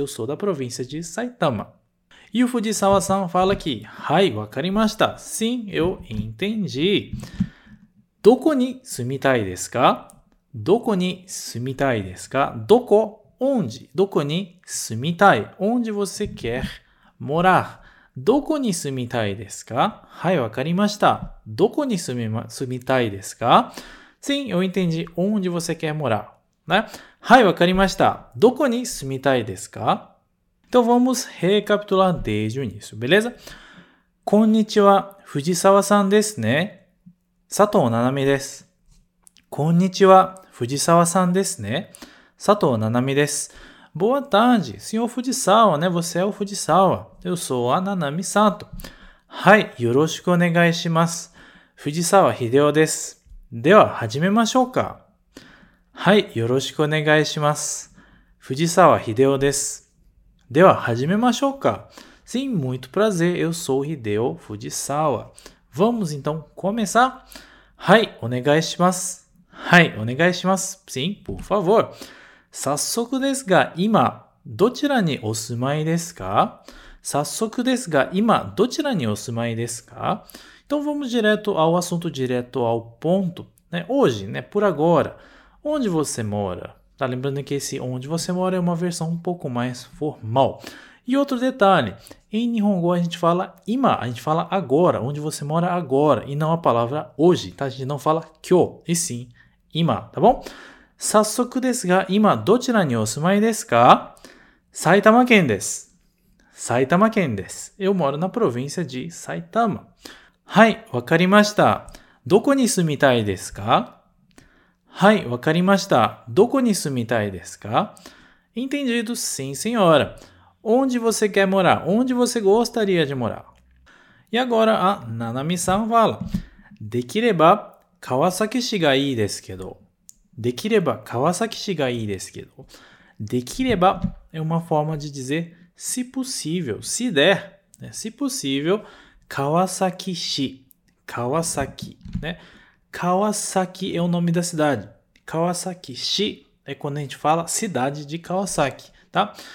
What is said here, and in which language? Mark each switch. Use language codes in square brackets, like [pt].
[pt] Eu sou da província de Saitama. E o Fujisawa-san fala aqui. [ja] Hai, wakarimashita. [pt] Sim, eu entendi. [ja] Doko ni sumitai desu ka? Doko ni sumitai desu ka? [pt] Doko, onde? [ja] Doko ni sumitai. [pt] Onde você quer morar? [ja] どこに住みたいですか？はい、わかりました。どこに住みたいですか？ [pt] Sim, eu entendi. Onde você quer morar? Né? [ja] はい、わかりました。どこに住みたいですか？ [pt] Então vamos recapitular desde o início, beleza? [ja] こんにちは、藤沢さんですね。佐藤七海です。こんにちは、藤沢さんですね。 [pt] 佐藤七海です。Boa tarde, senhor Fujisawa, né? Você é o Fujisawa. Eu sou a Nanami Sato. [ja] はい、よろしくお願いします。 Fujisawa Hideo です。では、始めましょうか。はい、よろしくお願いします。 Fujisawa Hideo です。では、始めましょうか。 [pt] Sim, muito prazer. Eu sou Hideo Fujisawa. Vamos então começar? [ja] はい、お願いします。はい、お願いします。 [pt] Sim, por favor. [ja] 早速ですが、今、どちらにお住まいですか？早速ですが、今、どちらにお住まいですか？ [pt] Então, vamos direto ao assunto, direto ao ponto. Né? Hoje, né? Por agora, onde você mora? Tá lembrando que esse onde você mora é uma versão um pouco mais formal. E outro detalhe, em Nihongo a gente fala 今, a gente fala agora, onde você mora agora, e não a palavra hoje, tá? A gente não fala 今日, e sim 今, tá bom? [ja] 早速ですが、今どちらにお住まいですか？埼玉県です。埼玉県です。 [pt] Eu moro na província de Saitama。 [ja] はい、わかりました。どこに住みたいですか？はい、わかりました。どこに住みたいですか？ [pt] Entendido, sim, senhora. Onde você quer morar? Onde você gostaria de morar? E agora a Nanami さん fala. [ja] できれば川崎市がいいですけど。できれば川崎市がいいですけど。 [pt] できれば é uma forma de dizer se possível, se der, né? Se possível, 川崎市, 川崎, né? 川崎 é o nome da cidade. 川崎市 é quando a gente fala cidade de 川崎, tá?